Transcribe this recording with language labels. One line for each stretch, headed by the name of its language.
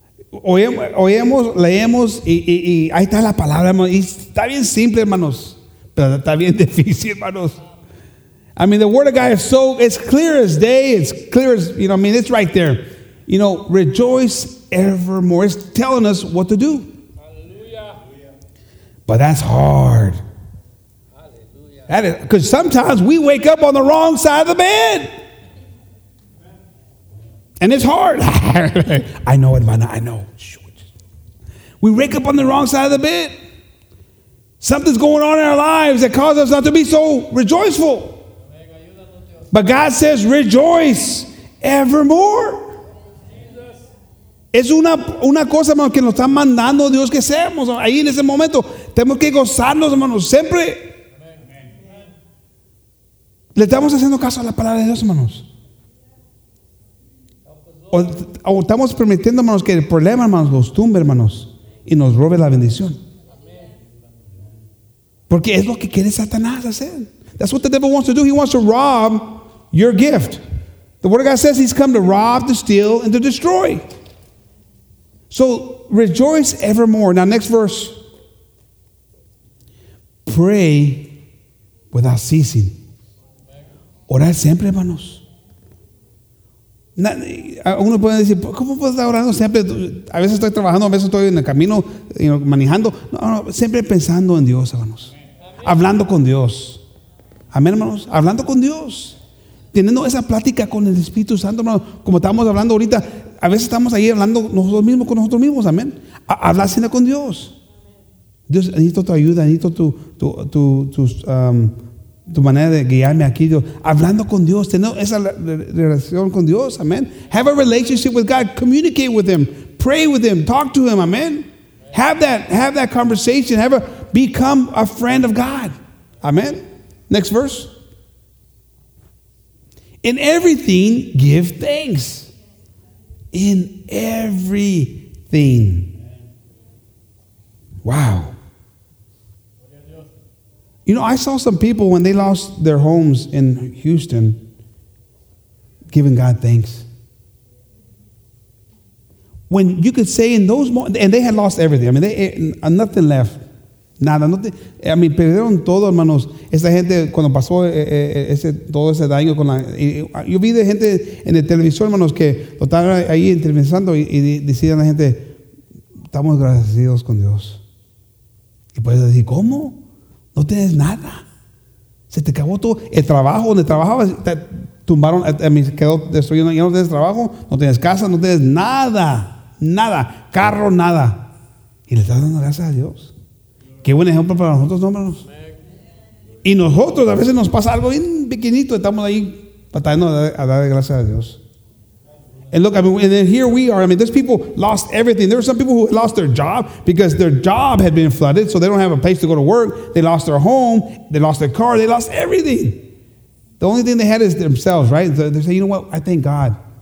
Spanish: Oyemos, leemos y ahí está la palabra, hermanos. Y está bien simple, hermanos. Pero está bien difícil, hermanos.
English: I mean, the word of God is so, it's clear as day. It's clear as, you know, I mean, it's right there. You know, rejoice evermore. It's telling us what to do. Hallelujah. But that's hard. Hallelujah. That is, because sometimes we wake up on the wrong side of the bed. And it's hard. I know, hermana, I know. We wake up on the wrong side of the bed. Something's going on in our lives that causes us not to be so rejoiceful. But God says, rejoice evermore.
Spanish: Es una cosa, hermano, que nos está mandando Dios que seamos ahí en ese momento. Tenemos que gozarnos, hermanos, siempre. ¿Le estamos haciendo caso a la palabra de Dios, hermanos? O estamos permitiendo, hermanos, que el problema, hermanos, los tumbe, hermanos, y nos robe la bendición. Porque es lo que quiere Satanás hacer.
English: That's what the devil wants to do. He wants to rob your gift. The word of God says he's come to rob, to steal, and to destroy. So rejoice evermore. Now, next verse. Pray without ceasing.
Spanish: Orar siempre, hermanos. Uno puede decir, ¿cómo puedo estar orando siempre? A veces estoy trabajando, a veces estoy en el camino,
English: you know,
Spanish: manejando. No, siempre pensando en Dios, hermanos. Hablando con Dios. Amén, hermanos. Hablando con Dios. Teniendo esa plática con el Espíritu Santo, hermanos. Como estamos hablando ahorita, a veces estamos ahí hablando nosotros mismos con nosotros mismos. Amén. Hablar siempre con Dios. Dios, necesito tu ayuda, necesito tu manera de guiarme aquí, Dios. Hablando con Dios, teniendo esa relación con Dios, amén.
English: Have a relationship with God, communicate with him, pray with him, talk to him, amén. Have that conversation, become a friend of God, amén. Next verse. In everything, give thanks. In everything. Wow. You know, I saw some people when they lost their homes in Houston giving God thanks. When you could say in those moments, and they had lost everything. I mean, nothing left.
Spanish: Nada, no te,
English: I mean,
Spanish: perdieron todo, hermanos. Esa gente, cuando pasó todo ese daño con la... Yo vi de gente en el televisor, hermanos, que lo estaban ahí entrevistando y decían a la gente, estamos agradecidos con Dios. Y puedes decir, ¿cómo? No tienes nada. Se te acabó todo. El trabajo donde trabajabas, te tumbaron, quedó destruyendo. Ya no tienes trabajo, no tienes casa, no tienes nada. Nada. Carro, nada. Y le estás dando gracias a Dios. Qué buen ejemplo para nosotros, ¿no, hermanos? Y nosotros, a veces nos pasa algo bien pequeñito, estamos ahí batallando a dar gracias a Dios.
English: And look, I mean, and then here we are. I mean, there's people lost everything. There were some people who lost their job because their job had been flooded, so they don't have a place to go to work. They lost their home. They lost their car. They lost everything. The only thing they had is themselves, right? So they say, you know what? I thank God.